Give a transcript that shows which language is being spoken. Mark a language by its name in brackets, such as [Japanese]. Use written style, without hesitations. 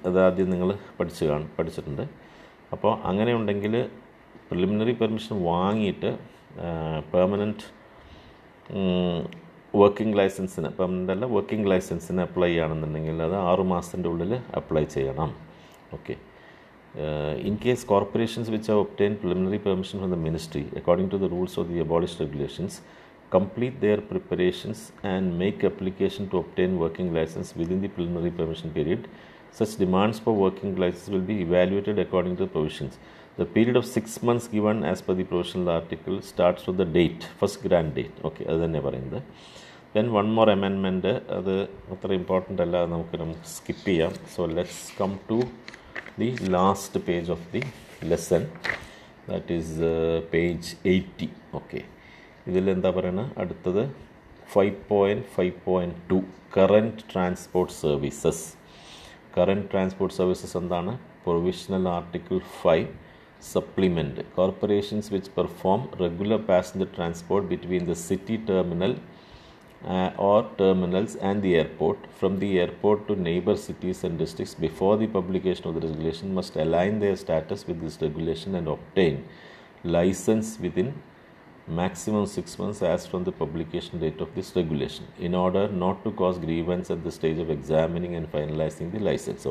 [Malayalam] അത് ആദ്യം നിങ്ങൾ പഠിച്ചിട്ടുണ്ട്. അപ്പോൾ അങ്ങനെയുണ്ടെങ്കിൽ പ്രിലിമിനറി പെർമിഷൻ വാങ്ങിയിട്ട് പെർമനൻറ്റ് വർക്കിംഗ് ലൈസൻസിന്, പെർമനൻ്റ് അല്ല വർക്കിംഗ് ലൈസൻസിന് അപ്ലൈ ചെയ്യണമെന്നുണ്ടെങ്കിൽ അത് 6 months അപ്ലൈ ചെയ്യണം. Okay, [English] In case corporations which have obtained preliminary permission from the ministry, according to the rules of the abolished regulations, complete their preparations and make application to obtain working license within the preliminary permission period, such demands for working license will be evaluated according to the provisions. The period of 6 months given as per the provisional article starts with the date, first grant date. Okay, other than ever in the. Then one more amendment, other important, skip here. So let's come to the last page of the lesson, that is page 80. [Malayalam] Okay. ഇതിൽ എന്താ പറയണത്? അടുത്തത് 5.5.2 current transport services. Current transport services എന്താണ്? Provisional article 5 supplement. [English] Corporations which perform regular passenger transport between the city terminal or terminals and the airport from the airport to neighbour cities and districts before the publication of the regulation must align their status with this regulation and obtain licence within maximum 6 months as from the publication date of this regulation in order not to cause grievance at the stage of examining and finalizing the license.